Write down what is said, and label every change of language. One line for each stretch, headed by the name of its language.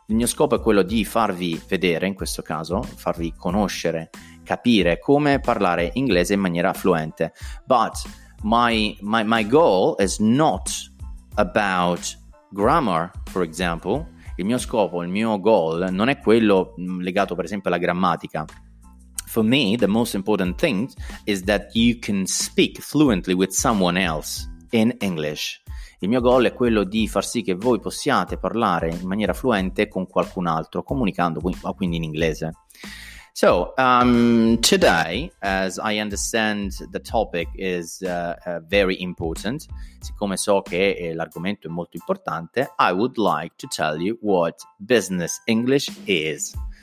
Italian: Il mio scopo è quello di farvi vedere, in questo caso, farvi conoscere, capire come parlare inglese in maniera fluente.
English: But my goal is not about grammar, for example.
Italian: Il mio scopo, il mio goal, non è quello legato, per esempio, alla grammatica.
English: For me, the most important thing is that you can speak fluently with someone else in English.
Italian: Il mio goal è quello di far sì che voi possiate parlare in maniera fluente con qualcun altro, comunicando quindi in inglese.
English: So, today, as I understand the topic is very important,
Italian: siccome so che l'argomento è molto importante,
English: I would like to tell you what business English is.